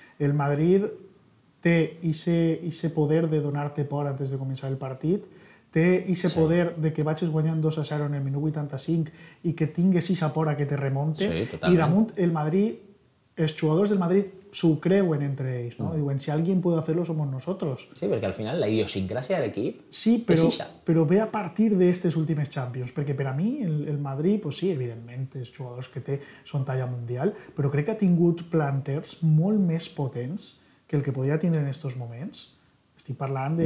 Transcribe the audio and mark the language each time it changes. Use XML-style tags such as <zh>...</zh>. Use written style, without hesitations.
<ca>El Madrid té ese poder de donar-te por antes de començar el partit, té ese poder de que vagis guanyant 2-0 en el minut 85 i que tingues esa por a que te remonte. Sí, i damunt el Madrid, els jugadors del Madrid s'ho creuen entre ells, no? Diuen,</ca> <es>si alguien puede hacerlo somos nosotros.</es> <ca>Sí, perquè al final la idiosincrasia de l'equip sí, però, és ixa. Però ve a partir d'aquestes últimes Champions, perquè per a mi el Madrid, pues sí, evidentment, els jugadors que té són talla mundial, però crec que ha tingut planters molt més potents que el que podria tindre en aquests moments. Estic parlant de...</ca>